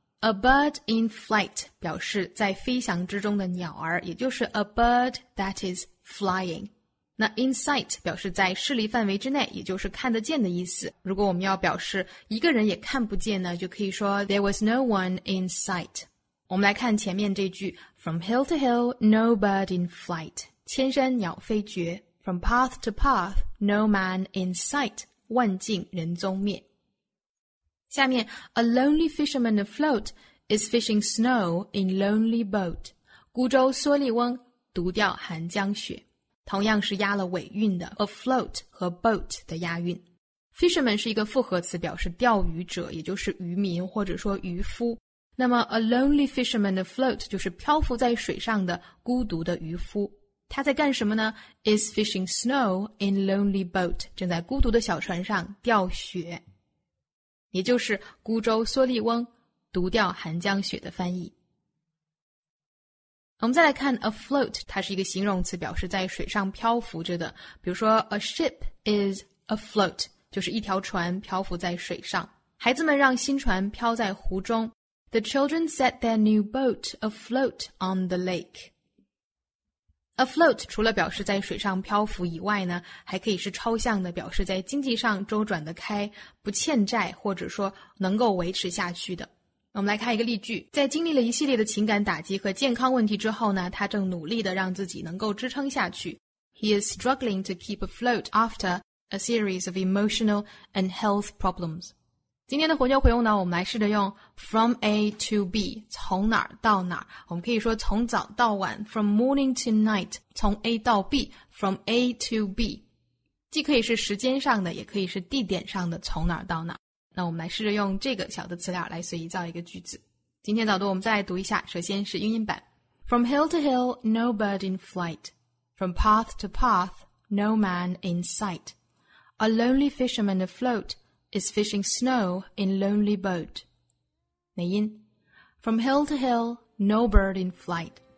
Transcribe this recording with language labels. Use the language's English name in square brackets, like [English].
[English] A bird in flight [Chinese] 表示在飞翔之中的鸟儿，也就是 [English] a bird that is flying。 [Chinese] 那 in sight 表示在视力范围之内，也就是看得见的意思。如果我们要表示一个人也看不见呢，就可以说 [English] There was no one in sight。 [Chinese] 我们来看前面这句 [English] From hill to hill, no bird in flight. [Chinese] 千山鸟飞绝 [English] From path to path, no man in sight. [Chinese] 万径人踪灭。下面 [English] A lonely fisherman afloat is fishing snow in lonely boat. [Chinese] 孤舟蓑笠翁独钓寒江雪。同样是押了尾韵的 afloat 和 boat 的押韵。 Fisherman 是一个复合词，表示钓鱼者，也就是渔民或者说渔夫。那么 [English] a lonely fisherman afloat [Chinese] 就是漂浮在水上的孤独的渔夫。他在干什么呢？ [English] is fishing snow in lonely boat, [Chinese] 正在孤独的小船上钓雪。也就是孤舟蓑笠翁独钓寒江雪的翻译。我们再来看 afloat, 它是一个形容词，表示在水上漂浮着的。比如说 [English] a ship is afloat, [Chinese] 就是一条船漂浮在水上。孩子们让新船漂在湖中。 [English] The children set their new boat afloat on the lake. [Chinese] Afloat 除了表示在水上漂浮以外呢，还可以是抽象的，表示在经济上周转得开，不欠债，或者说能够维持下去的。我们来看一个例句，在经历了一系列的情感打击和健康问题之后呢，他正努力地让自己能够支撑下去。 [English] He is struggling to keep afloat after a series of emotional and health problems. [Chinese] 今天的活用回用呢，我们来试着用 from A to B, 从哪儿到哪儿。我们可以说从早到晚 [English] from morning to night, [Chinese] 从 A 到 B, [English] from A to B。 [Chinese] 既可以是时间上的，也可以是地点上的，从哪儿到哪儿。那我们来试着用这个小的词料来随意造一个句子。今天早读我们再来读一下，首先是英音版。 [English] From hill to hill, no bird in flight. From path to path, no man in sight. A lonely fisherman afloat,is fishing snow in lonely boat. [Chinese] 美音 [English] From hill to hill, no bird in flight.